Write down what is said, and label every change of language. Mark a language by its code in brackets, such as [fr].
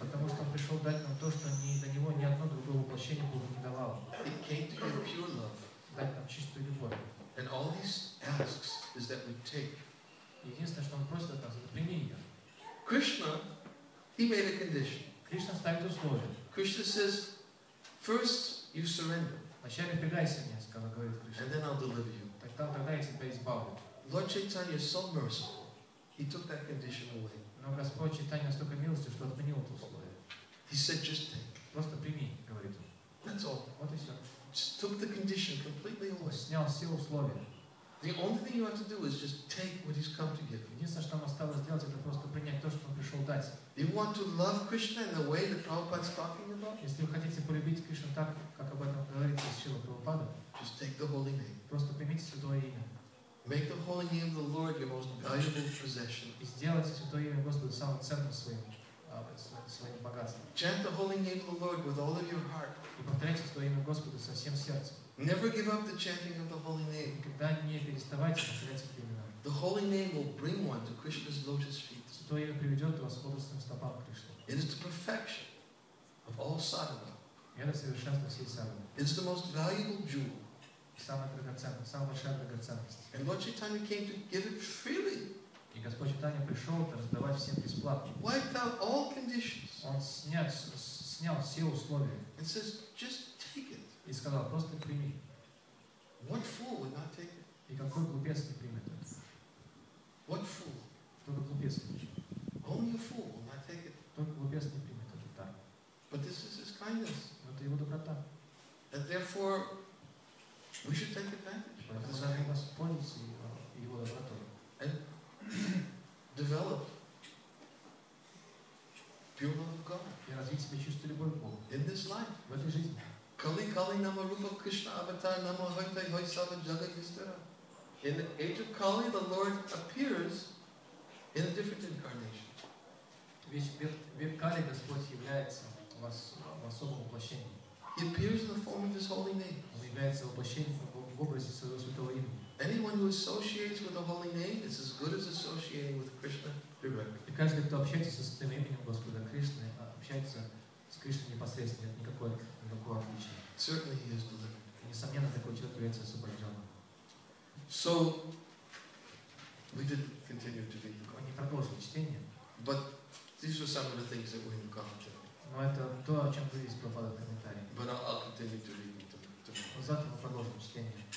[ru] Потому что он пришел дать нам то, что до него ни одно другое воплощение Бога не давало. [en] He came to give pure love. [ru] Дать нам чистую любовь. [en] And all he asks is that we take. [ru] Единственное, что он просит от нас, это прими ее. [en] Krishna, he made a condition. [ru] Krishna ставит условие. [en] Krishna says, first you surrender. [ru] Вначале предайся мне, сказал говорит Кришна. [en] And then I'll deliver you. [ru] Тогда я тебя избавлю. [en] Lord Chaitanya is so merciful. He took that condition away. [ru] Но Господь Чайтанья столько милости, что отменил это условие. [en] He said, just take. [ru] Просто прими, говорит он. [en] That's all. [ru] Вот и все. [en] Just took the condition completely away. [ru] Снял все условия. [en] The only thing you have to do is just take what he's come to give. [ru] Единственное, что нам осталось сделать, это просто принять то, что он пришел дать. [en] You want to love Krishna in the way that Prabhupada's talking about? [ru] Если вы хотите полюбить Кришну так, как об этом говорится из Шрилы Прабхупады, [en] just take the holy name. [ru] Просто примите святое имя. [en] Make the holy name of the Lord your most valuable possession. [ru] И сделайте святое имя Господа самым ценным своим богатством. [en] Chant the holy name of the Lord with all of your heart. [ru] И повторяйте святое имя Господа со всем сердцем. [en] Never give up the chanting of the holy name. [ru] Никогда не переставайте повторять эти имена. [en] The holy name will bring one to Krishna's lotus feet. [ru] что ее приведет вас к лотосным стопам Кришны. [en] It is the perfection of all sadhana. [ru] Это совершенство всей садханы. [en] It's the most valuable jewel. [ru] Самая драгоценная, самая большая драгоценность. [en] And Lord Chaitanya came to give it freely. [ru] И Господь Чайтанья пришел раздавать всем бесплатно. [en] Wiped out all conditions. [ru] Он снял все условия. [en] And says, just take it. [ru] И сказал, просто прими. [en] What fool would not take it? [ru] И какой глупец не примет это? [en] What fool? [ru] Только глупец не примет. [en] Only a fool would not take it. [ru] Только глупец не примет это так. [en] But this is his kindness. [ru] Но это его доброта. [en] And therefore, we should take advantage. [ru] Мы должны воспользоваться его добротой. [en] Develop pure love of God. [ru] И развить себе чувство любви к Богу. [en] In this life. [ru] В этой жизни. [sa] Kali Kali Nama Rupa Krishna Avatar Nama Vaitai Hoi Sava Jagat Vistara. [en] In the age of Kali, the Lord appears in a different incarnation. [ru] Kali Господь является в особом воплощении. [en] He appears in the form of His holy name. [ru] Он является воплощением в образе своего святого имени. [en] Anyone who associates with the holy name is as good as associating with Krishna directly. [ru] И каждый, кто общается со святым именем Господа Кришны, общается с Кришной непосредственно. Нет никакого отличия. [en] Certainly he is delivered. [ru] Несомненно, такой человек является освобожденным. [en] So, we did continue to read the [ru] Quran. Мы не продолжили чтение. [en] But these were some of the things that were in the commentary. [ru] Но это то, о чем говорит Прабхупада в комментарии. [en] But I'll continue to read it tomorrow. [ru] Завтра мы продолжим чтение.